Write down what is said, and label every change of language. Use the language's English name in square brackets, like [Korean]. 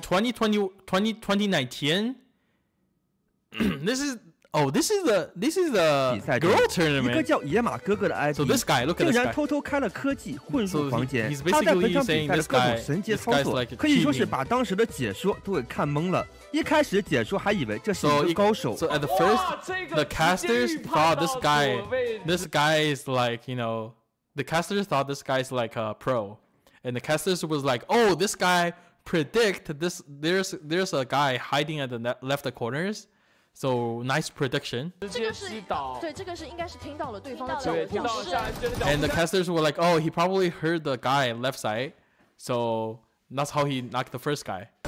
[English] 2019 This is the girl tournament. [Chinese] 一个叫野马哥哥的 ID、 [English] so、this guy, look at this guy. [Chinese] 竟然偷偷开了科技混入房间。 [English] So、he's basically [Chinese] 他在本场比赛的各种神级操作 [English] this guy, this、like、 [Chinese] 可以说是把当时的解说都给看懵了。一开始解说还以为这是一个高手。 [English] So at the first, the casters thought this guy is like, you know, the casters thought this guy is like a pro, and the casters was like, oh, this guy predict this. There's a guy hiding at the left corners. So nice prediction. [Chinese] 这个是对，这个是应该是听到了对方的脚步声。 [English] And the casters were like, oh, he probably heard the guy left side, so that's how he knocked the first guy.